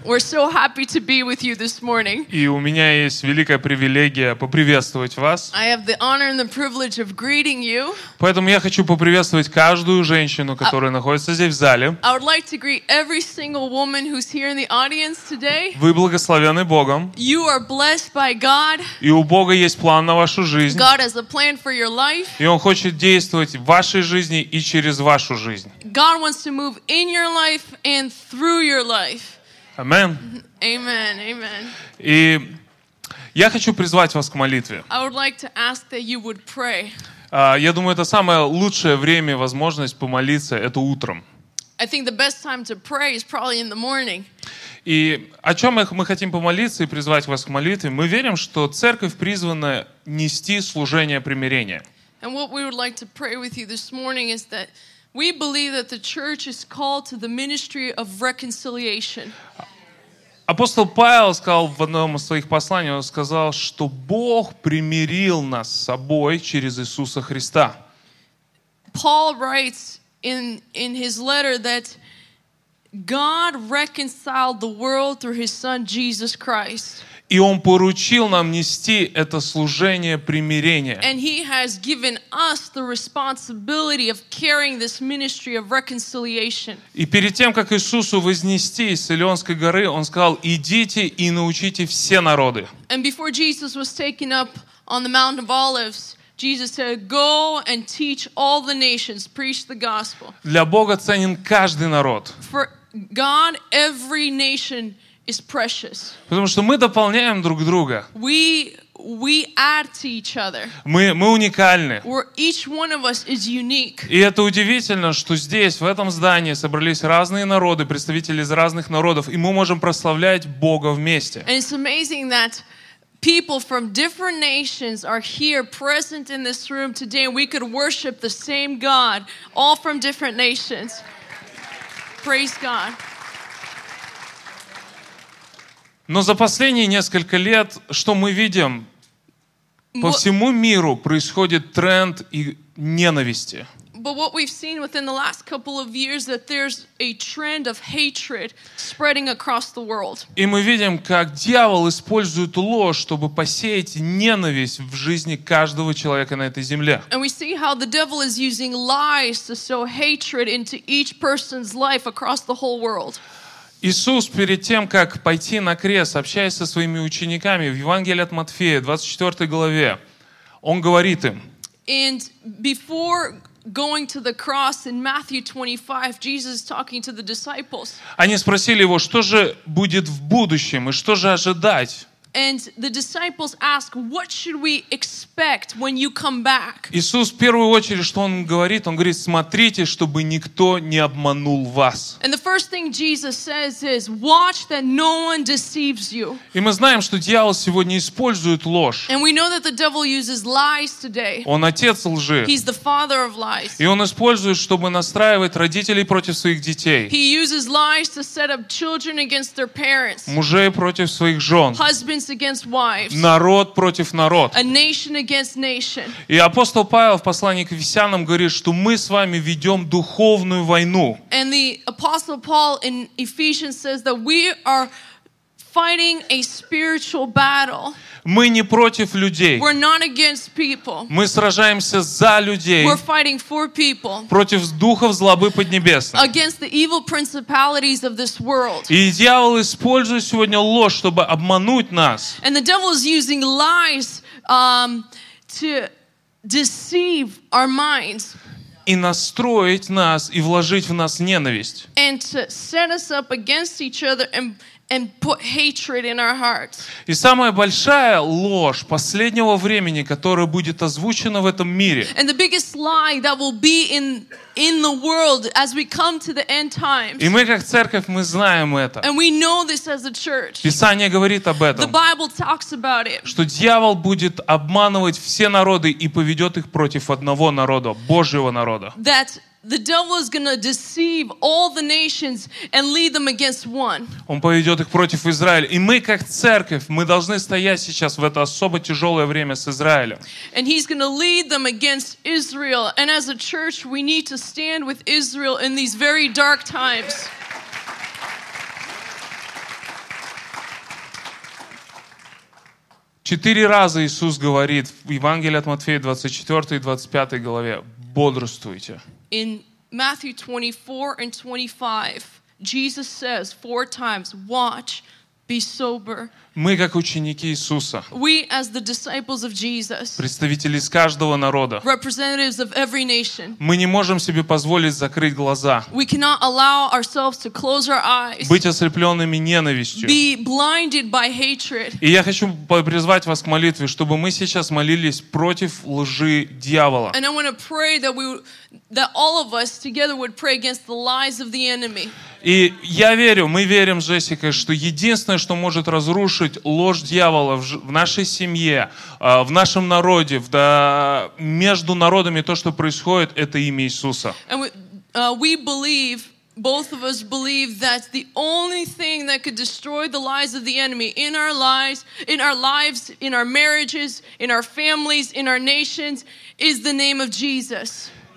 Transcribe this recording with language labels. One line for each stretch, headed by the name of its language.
English: We're so happy to be with you this morning.
Russian: И у меня есть великая привилегия поприветствовать вас.
English: I have the honor and the privilege of greeting you.
Russian: Поэтому я хочу поприветствовать каждую женщину, которая находится здесь в зале.
English: I would like to greet every single woman who's here in the audience today.
Russian: Вы благословены Богом.
English: You are blessed by God.
Russian: И у Бога есть план на вашу жизнь.
English: God has a plan for your life.
Russian: И Он хочет действовать в вашей жизни и через вашу жизнь.
English: God wants to move in your life and through your life. Amen. Amen. Amen.
Russian: И я хочу призвать вас к молитве.
English: I would like to ask that you would pray.
Russian: Я думаю, это самое лучшее время и возможность помолиться это утром.
English: I think the best time to pray is probably in the morning.
Russian: И о чем мы хотим помолиться и призвать вас к молитве? Мы верим, что церковь призвана нести служение примирения.
English: And what we would like to pray with you this morning is that we believe that the church is called to the ministry of reconciliation.
Russian: Апостол Павел сказал в одном из своих посланий, он сказал, что Бог примирил нас с собой через Иисуса Христа.
English: Paul writes in his letter that God reconciled the world through his son Jesus Christ.
Russian: И он поручил нам нести это служение примирения.
English: And he has given us the responsibility of carrying this ministry of reconciliation.
Russian: И перед тем, как Иисусу вознестись с Елеонской горы, он сказал: «Идите и научите все народы».
English: And before Jesus was taken up on the Mount of Olives, Jesus said, "Go and teach all the nations, preach the gospel."
Russian: Для Бога ценен каждый народ.
English: For God, every nation is precious.
Russian: Потому что мы дополняем друг друга.
English: We add to each other.
Russian: Мы уникальны.
English: We're, each one of us is unique.
Russian: И это удивительно, что здесь, в этом здании, собрались разные народы, представители из разных народов, и мы можем прославлять Бога вместе.
English: And it's amazing that people from different nations are here present in this room today. We could worship the same God, all from different nations. Praise God.
Russian: Но за последние несколько лет, что мы видим? По всему миру происходит тренд и ненависти.
English: But what we've seen within the last couple of years that there's a trend of hatred spreading across the world.
Russian: И мы видим, как дьявол использует ложь, чтобы посеять ненависть в жизни каждого человека на этой земле.
English: And we see how the devil is using lies to sow hatred into each person's life across the whole world.
Russian: Иисус перед тем, как пойти на крест, общаясь со своими учениками в Евангелии от Матфея, 24 главе, Он говорит им.
English: And before going to the cross in Matthew 25, Jesus is talking to the disciples.
Russian: Они спросили Его, что же будет в будущем и что же ожидать?
English: And the disciples ask, what should we expect when you come back?
Russian: Иисус в первую очередь, что он говорит, смотрите, чтобы никто не обманул вас.
English: And the first thing Jesus says is, watch that no one deceives you.
Russian: И мы знаем, что дьявол сегодня использует ложь.
English: And we know that the devil uses lies today.
Russian: Он отец лжи.
English: He's the father of lies.
Russian: И он использует, чтобы настраивать родителей против своих детей.
English: He uses lies to set up children against their parents.
Russian: Мужей против своих жен.
English: Against wives.
Russian: Народ против народ.
English: A nation against nation.
Russian: И апостол Павел в послании к Ефесянам говорит, что мы с вами ведем духовную войну.
English: And the apostle Paul in Ephesians says that we are fighting a spiritual battle.
Russian: Мы не против людей.
English: We're not against people.
Russian: Мы сражаемся за людей.
English: We're fighting for people.
Russian: Против духов злобы поднебесной.
English: Against the evil principalities of this world.
Russian: И дьявол использует сегодня ложь, чтобы обмануть нас.
English: And the devil is using lies to deceive our minds.
Russian: И настроить нас и вложить в нас ненависть.
English: And to set us up against each other and and put hatred in our hearts.
Russian: И самая большая ложь последнего времени, которая будет озвучена в этом мире.
English: And the biggest lie that will be in the world as we come to the end times.
Russian: И мы как церковь мы знаем это.
English: And we know this as a church.
Russian: Писание говорит об этом.
English: The Bible talks about it.
Russian: Что дьявол будет обманывать все народы и поведет их против одного народа, Божьего народа.
English: That the devil is going to deceive all the nations and lead them against one.
Russian: Он поведет их против Израиля. И мы, как церковь, мы должны стоять сейчас в это особо тяжелое время с Израилем.
English: And he's going to lead them against Israel. And as a church, we need to stand with Israel in these very dark times.
Russian: Четыре раза Иисус говорит в Евангелии от Матфея 24 и 25 главе: «Бодрствуйте».
English: In Matthew 24 and 25, Jesus says four times, "Watch, be sober."
Russian: Мы как ученики Иисуса.
English: We as the disciples of Jesus.
Russian: Представители из каждого народа.
English: Representatives of every nation.
Russian: Мы не можем себе позволить закрыть глаза.
English: We cannot allow ourselves to close our eyes.
Russian: Быть ослепленными ненавистью.
English: Be blinded by hatred.
Russian: И я хочу призвать вас к молитве, чтобы мы сейчас молились против лжи дьявола.
English: And I want to pray that we that all of us together would pray against the lies of the enemy.
Russian: И я верю, мы верим, Джессика, что единственное, что может разрушить ложь дьявола в нашей семье, в нашем народе, между народами, то, что происходит, это имя Иисуса.
English: And we believe, both of us believe, that the only thing that could destroy the lies of the enemy in our lives, in our lives, in our marriages, in our families, in our nations, is the name of Jesus.